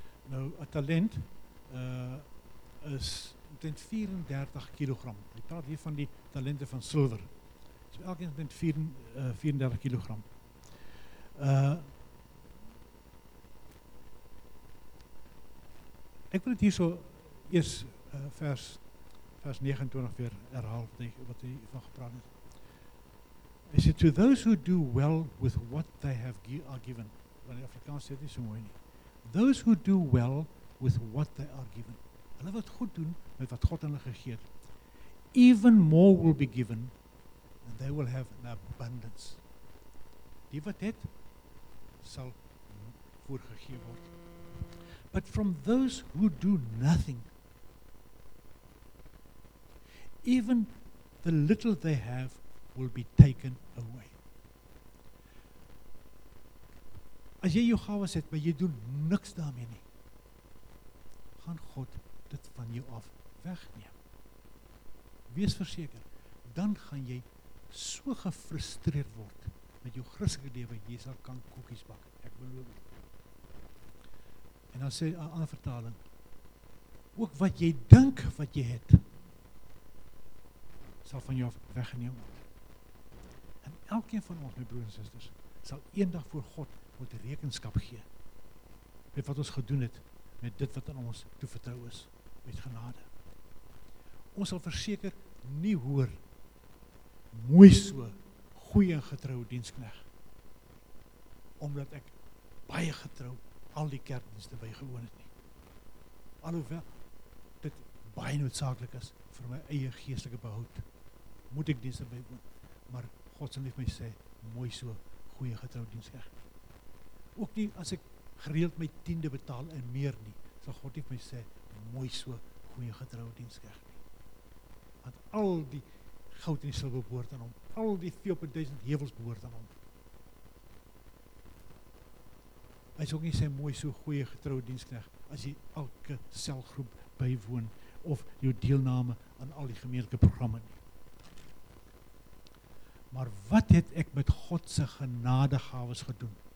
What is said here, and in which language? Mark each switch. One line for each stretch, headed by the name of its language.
Afrikaans: Nou, een talent is 34 kilogram. Hy praat hier van die talente van silver. So elkeen is 34 kilogram. Ek wil het hier so eers vers 29 weer herhaal wat hy van gepraat het.
English: He said, to those who do well with what they have are given.
Afrikaans: Want die Afrikaans sê dit so mooi nie.
English: Those who do well with what they are given.
Afrikaans: Hulle wat goed doen met wat God hulle gegee het.
English: Even more will be given and they will have an abundance.
Afrikaans: Die wat het, sal voorgegee word.
English: But from those who do nothing, even the little they have will be taken away.
Afrikaans: As jy jou gawes het, maar jy doen niks daarmee nie, gaan God dit van jou af wegneem. Wees verseker, dan gaan jy so gefrustreerd word met jou Christelike lewe, jy sal kan koekies bak, ek beloof dit. En dan sê 'n ander vertaling, ook wat jy dink wat jy het, sal van jou af weggeneem word. En elkeen van ons, my broers en susters, sal eendag voor God moet rekenskap gee met wat ons gedoen het met dit wat aan ons toevertrou is met genade. Ons sal verseker nie hoor mooi so goeie en getroue dienskneg omdat ek baie getrou al die kerkdienste bygewoon het nie. Alhoewel dit baie noodsaaklik is vir my eie geestelike behoud moet ek dienste bywoon, maar God sal lief my sê, mooi so, goeie getrouw dienskneg. Ook nie as ek gereeld my tiende betaal en meer nie, sal God lief my sê, mooi so, goeie getrouw dienskneg. Want al die goud en die silwe behoort aan hom, al die 4000 hevels behoort aan hom. Hy sal ook nie sê, mooi so, goeie getrouw dienskneg, as jy elke selgroep bywoon, of jou deelname aan al die gemeentelike programme nie. Maar wat het ek met Godse genadegawes gedoen?